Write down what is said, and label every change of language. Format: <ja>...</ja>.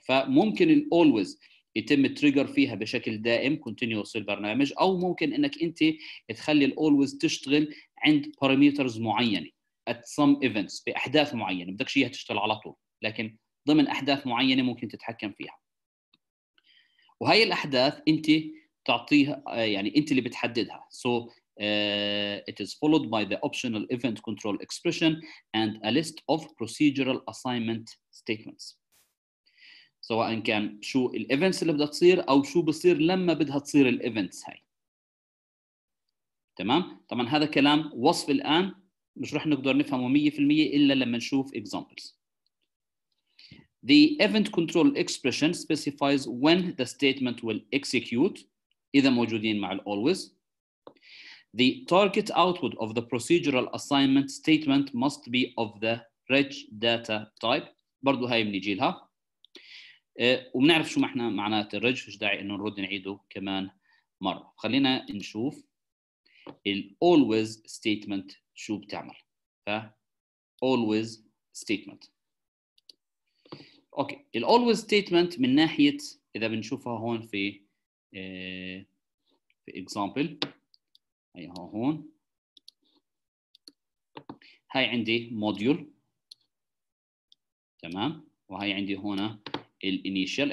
<ar>فممكن الالويز يتم التريجر فيها بشكل دائم continuous البرنامج، أو ممكن أنك أنت تخلي الالويز تشتغل عند parameters معينة</ar> <en>at some events</en> <ar>بأحداث معينة بدك شيء تشتغل على طول، لكن ضمن أحداث معينة ممكن تتحكم فيها. وهي الأحداث أنت تعطيها، يعني أنت اللي بتحددها.</ar> <en>So it is followed by the optional event control expression and a list of procedural assignment statements.</en> <ar>سواء كان شو الايفنتس اللي بدها تصير او شو بصير لما بدها تصير الايفنتس هاي. تمام؟ طبعا هذا كلام وصف الان، مش رح نقدر نفهمه 100% الا لما نشوف examples.</ar> <en>The event control expression specifies when the statement will execute</en> <ar>اذا موجودين مع الالويز.</ar> <en>The target output of the procedural assignment statement must be of the rich data type.</en> <ar>برضو هاي بنيجي لها. ومنعرف شو معنى معنات الرج، فش داعي انه نرد نعيده كمان مرة. خلينا نشوف الـ always statement شو بتعمل. فـ always statement. اوكي، الـ always statement من ناحية اذا بنشوفها هون في في example ايها هون، هاي عندي module تمام، وهي عندي هنا الانيشال.</ar>